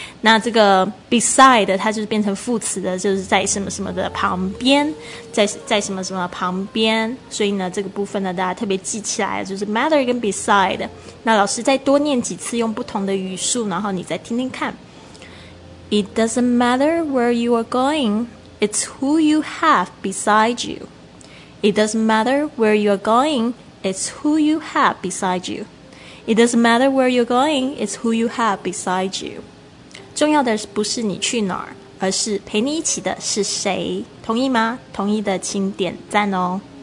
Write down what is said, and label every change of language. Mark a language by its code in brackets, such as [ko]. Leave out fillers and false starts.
[zh] 那这个 beside 它就是变成副词的，就是在什么什么的旁边，在什么什么旁边。所以呢这个部分呢大家特别记起来，就是 matter 跟 beside。那老师再多念几次用不同的语速，然后你再听听看。 [en] It doesn't matter where you are going, it's who you have beside you. It doesn't matter where you are going, it's who you have beside you. It doesn't matter where you're going, it's who you have beside you. [zh] 重要的不是你去哪儿，而是陪你一起的是谁，同意吗？同意的请点赞哦。